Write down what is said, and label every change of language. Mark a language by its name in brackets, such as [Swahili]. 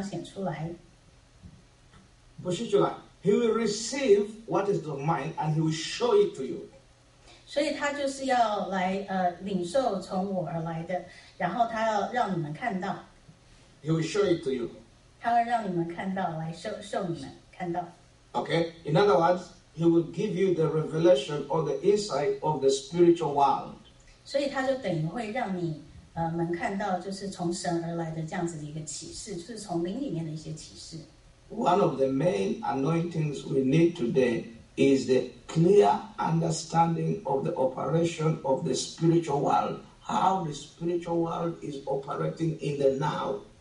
[Chinese] 所以就在这边就是说，他要接受到从我而来的，然后就要来彰显出来。不是出来。 [English] He will receive what is the mind and he will show it to you. [Chinese] 所以他就是要来领受从我而来的，然后他要让你们看到。 [English] He will show it to you. [Chinese] 他要让你们看到，来show你们看到。Okay, [English] in other words, he will give you the revelation or the insight of the spiritual world. [Chinese] 所以他就等于会让你们看到，就是从神而来的这样子的一个启示，就是从灵里面的一些启示。 [English] One of the main anointings we need today is the clear understanding of the operation of the spiritual world, how the spiritual world is operating in the now.